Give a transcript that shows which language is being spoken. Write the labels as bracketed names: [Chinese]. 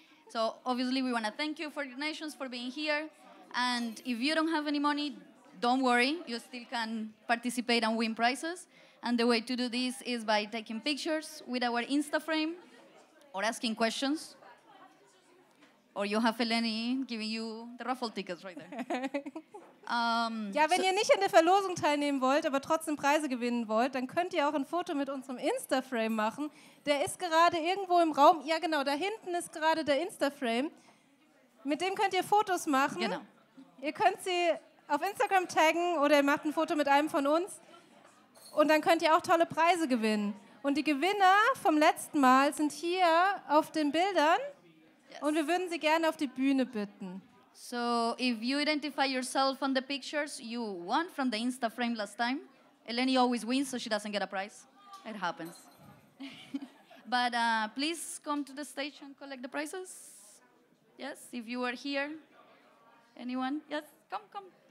[English] So obviously we want to thank you for the donations for being here. And if you don't have any money, don't worry. You still can participate and win prizes. And the way to do this is by taking pictures with our InstaFrame or asking questions. Or you have Eleni giving you the raffle tickets right there. [German] Ja, wenn ihr nicht an der Verlosung teilnehmen wollt, aber trotzdem Preise gewinnen wollt, dann könnt ihr auch ein Foto mit unserem Insta-Frame machen. Der ist gerade irgendwo im Raum. Ja, genau, da hinten ist gerade der Insta-Frame. Mit dem könnt ihr Fotos machen. Genau. Ihr könnt sie auf Instagram taggen oder ihr macht ein Foto mit einem von uns. Und dann könnt ihr auch tolle Preise gewinnen. Und die Gewinner vom letzten Mal sind hier auf den Bildern. [English] Yes. [German] Und wir würden sie gerne auf die Bühne bitten. [English] So if you identify yourself on the pictures, you won from the Insta frame last time. Eleni always wins, so she doesn't get a prize. It happens. But please come to the stage and collect the prizes. Yes, if you are here. Anyone? Yes, come, come.